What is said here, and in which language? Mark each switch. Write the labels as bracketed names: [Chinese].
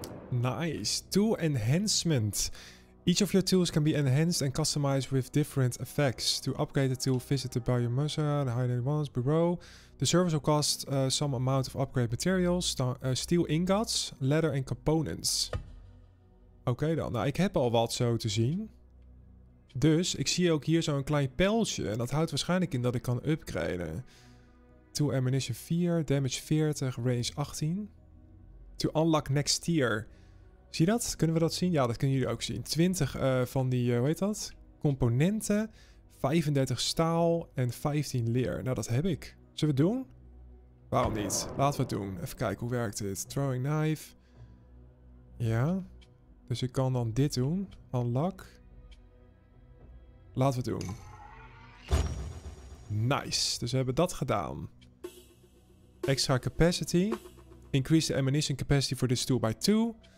[English] Nice. Tool enhancement. Each of your tools can be enhanced and customized with different effects. To upgrade the tool, visit the Biomusa, the Highland Ones Bureau. The service will cost some amount of upgrade materials, steel ingots, leather and components. [Dutch] Oké dan. Nou, ik heb al wat zo te zien. Dus, ik zie ook hier zo'n klein pijltje. En dat houdt waarschijnlijk in dat ik kan upgraden. [English] Tool ammunition 4, damage 40, range 18. To unlock next tier. [Dutch] Zie je dat? Kunnen we dat zien? Ja, dat kunnen jullie ook zien. 20 van die, hoe heet dat? Componenten, 35 staal en 15 leer. Nou, dat heb ik. Zullen we het doen? Waarom niet? Laten we het doen. Even kijken, hoe werkt dit? Throwing knife. Ja. Dus ik kan dan dit doen. Unlock. Laten we het doen. Nice. Dus we hebben dat gedaan. [English] Extra capacity. Increase the ammunition capacity for this tool by 2.